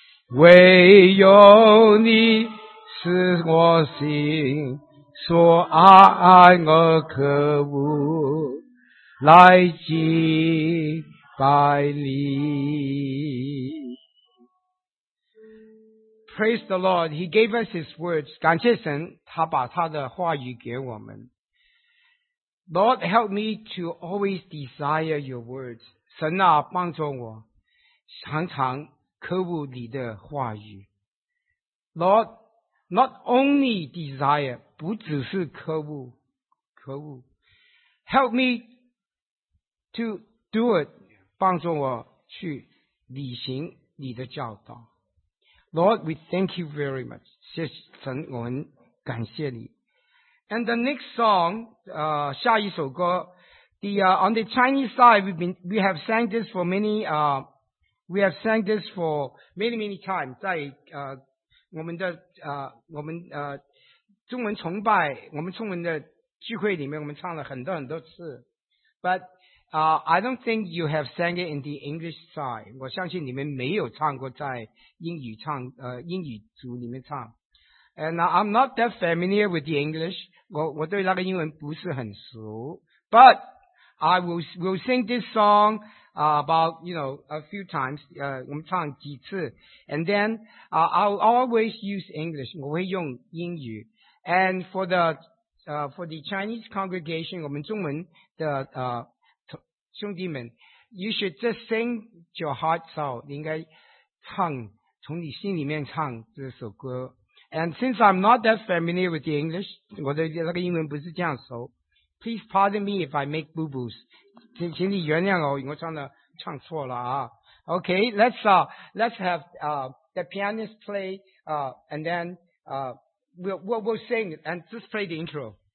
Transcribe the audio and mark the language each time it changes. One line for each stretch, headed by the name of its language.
Chinese: 唯有你是我心所爱，我可无来敬拜你。
English: Praise the Lord, He gave us His words.
Chinese: 感谢神，他把他的话语给我们。
English: Lord, help me to always desire Your words.
Chinese: 神啊，帮助我，常常渴慕你的话语。
English: Lord, not only desire,
Chinese: 不只是渴慕，渴慕。
English: Help me to do it,
Chinese: 帮助我去履行你的教导。
English: Lord, we thank you very much.
Chinese: 谢谢神，我们感谢你。
English: And the next song,
Chinese: 下一首歌
English: the, on the Chinese side, we have sang this for many times,
Chinese: 在我们的我们中文崇拜，我们中文的聚会里面，我们唱了很多很多次。
English: But, I don't think you have sang it in the English side.
Chinese: 我相信你们没有唱过在英语唱英语组里面唱。
English: And I'm not that familiar with the English.
Chinese: 我对那个英文不是很熟。
English: But I will sing this song about, you know, a few times.
Chinese: 我们唱几次。
English: And then, I'll always use English.
Chinese: 我会用英语。
English: And for the Chinese congregation,
Chinese: 我们中文的兄弟们
English: ，You should just sing your heart out.
Chinese: 你应该唱，从你心里面唱这首歌。
English: And since I'm not that familiar with the English,
Chinese: 我的那个英文不是这样熟。
English: Please pardon me if I make boo-boos.
Chinese: 请你原谅我，我唱错了啊。
English: Okay, let's have the pianist play, and then we'll sing and just play the intro.